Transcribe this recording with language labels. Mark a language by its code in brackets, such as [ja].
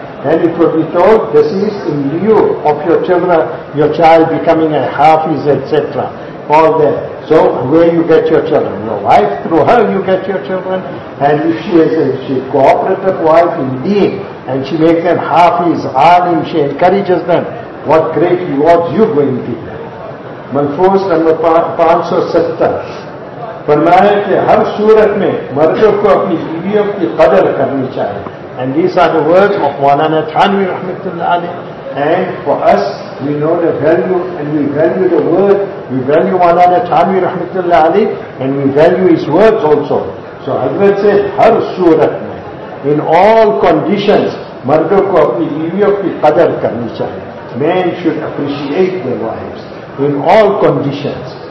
[en] And it will be told, this is in lieu of your children, your child becoming a Hafiz, etc. All that. So where you get your children? Your wife, through her you get your children. And if she is a cooperative wife indeed, and she makes them Hafiz, Alim, she encourages them, what great rewards you going to get. Malfoos number 570. [ur] فرمایا کہ ہر صورت میں مردوں کو اپنی بیویوں کی قدر کرنی چاہیے. [en] And these are the words of Maulana Thanvi rahmatullah alayh. And for us, we know the value, and we value the word, we value Maulana Thanvi rahmatullah alayh, and we value his words also. So Hazrat said, [ur] ہر صورت میں, [en] in all conditions, [ur] مردوں کو اپنی بیویوں کی قدر کرنی چاہیے. [en] Men should appreciate their wives in all conditions.